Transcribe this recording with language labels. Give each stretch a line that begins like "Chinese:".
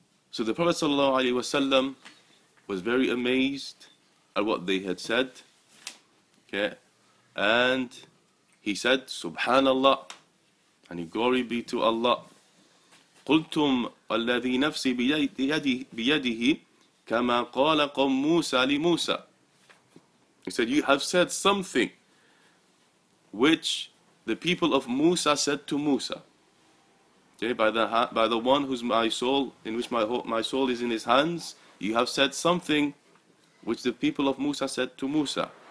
English: So the Prophet ﷺ was very amazed at what they had said. Okay. And he said, Subhanallah, and glory be to Allah.
Arabic: قلتم الذي نفسي بيده كما قال قوم موسى لموسى.
English: He said, you have said something which the people of Musa said to Musa. Okay, by the one whose my soul, in which my soul is in his hands, you have said something which the people of Musa said to Musa.